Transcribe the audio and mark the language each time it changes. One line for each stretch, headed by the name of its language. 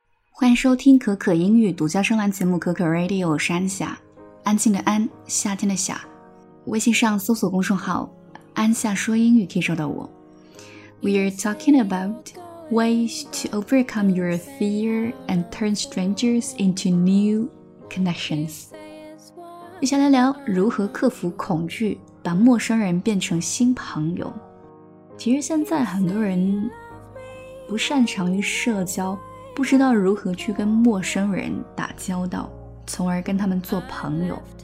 Chinese: 欢迎收听可可英语独家声浪节目可可 Radio， 我是安夏，安静的安，夏天的夏。微信上搜索公众号安夏说英语可以找到我。
English: We are talking about ways to overcome your fear and turn strangers into new connections。
Chinese: 一起来聊如何克服恐惧，把陌生人变成新朋友。其实现在很多人不擅长于社交，不知道如何去跟陌生人打交道，从而跟他们做朋友。